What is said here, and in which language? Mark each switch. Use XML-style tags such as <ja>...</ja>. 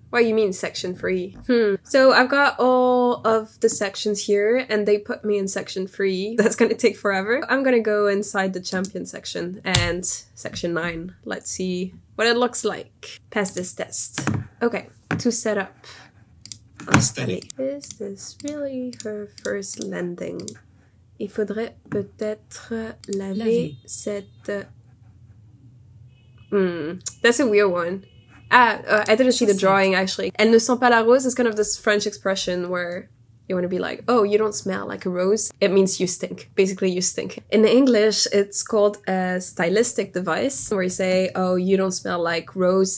<en>What do you mean section 3? So I've got all of the sections here and they put me in section 3. That's gonna take forever. I'm gonna go inside the champion section and section 9. Let's see what it looks like. Pass this test. Okay, to set up. Is this really her first landing?</en> <fr>Il faudrait peut-être laver cette...</fr> <en>That's a weird one. I didn't see the drawing, actually.</en> <fr>Elle ne sent pas la rose</fr> <en>is kind of this French expression where you want to be like, oh, you don't smell like a rose. It means you stink. Basically, you stink. In English, it's called a stylistic device where you say, oh, you don't smell like rose.</en>